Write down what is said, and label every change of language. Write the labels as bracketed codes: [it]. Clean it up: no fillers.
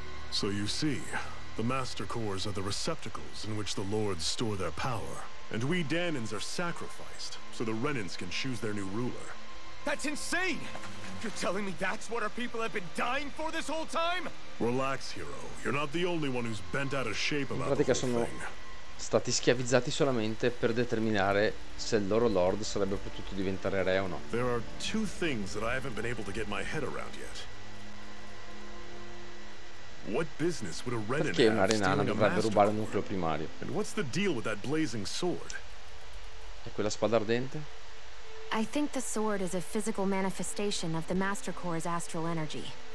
[en] So you see, the master cores are the receptacles in which the lords store their power. And we Danans are sacrificed, so the Renans can choose their new ruler. That's insane! You're telling me that's what our people have been dying for this whole time? Relax, hero. You're not the only one who's bent out of shape about the whole thing. [it] Stati schiavizzati solamente per determinare se il loro lord sarebbe potuto diventare re o no. [en] There are two things that I haven't been able to get my head around yet. What business would a Renan have stealing a master core? [it] Il nucleo primario? [en] And what's the deal with that blazing sword? [it] E quella spada ardente? [en] I think the sword is a physical manifestation of the master core's astral energy.